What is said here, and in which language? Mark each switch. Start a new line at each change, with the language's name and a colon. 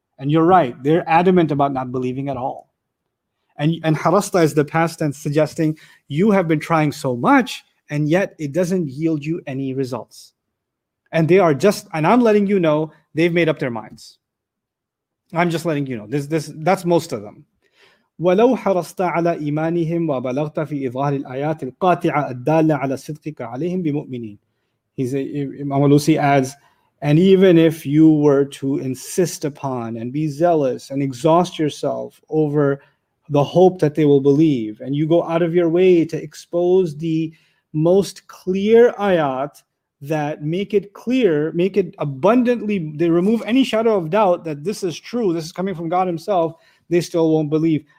English: And you're right, they're adamant about not believing at all. And harasta is the past tense, suggesting you have been trying so much and yet it doesn't yield you any results. And they are just, and I'm letting you know, they've made up their minds. I'm just letting you know. That's most of them.
Arabic: ولو حرصت على إيمانهم وبلغت في إظهار الآيات القاطعة الدالة على صدقك عليهم بمؤمنين.
English: Imam Alusi adds, and even if you were to insist upon and be zealous and exhaust yourself over the hope that they will believe, and you go out of your way to expose the most clear ayat that make it clear, make it abundantly, they remove any shadow of doubt that this is true, this is coming from God Himself, they still won't believe.